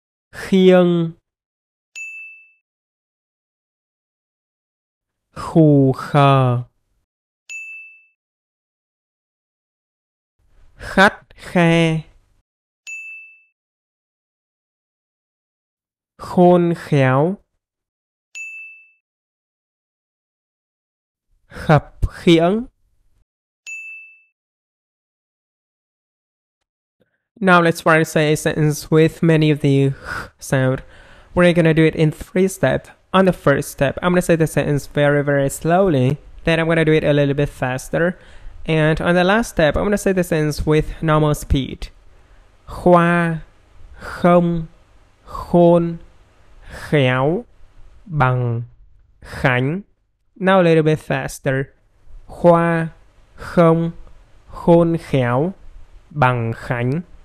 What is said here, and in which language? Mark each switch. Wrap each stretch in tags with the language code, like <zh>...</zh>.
<vi>khiêng, khù khờ, khắt khe, khôn khéo, khập khiễng.</vi> <en>Now let's try to say a sentence with many of the h sound. We're gonna do it in three steps. On the first step, I'm gonna say the sentence very, very slowly. Then I'm gonna do it a little bit faster. And on the last step, I'm gonna say the sentence with normal speed.</en> <vi>Khoa, không, khôn, khéo, bằng, khánh.</vi> <en>Now a little bit faster.</en> <vi>Khoa, không, khôn khéo, bằng khánh.</vi>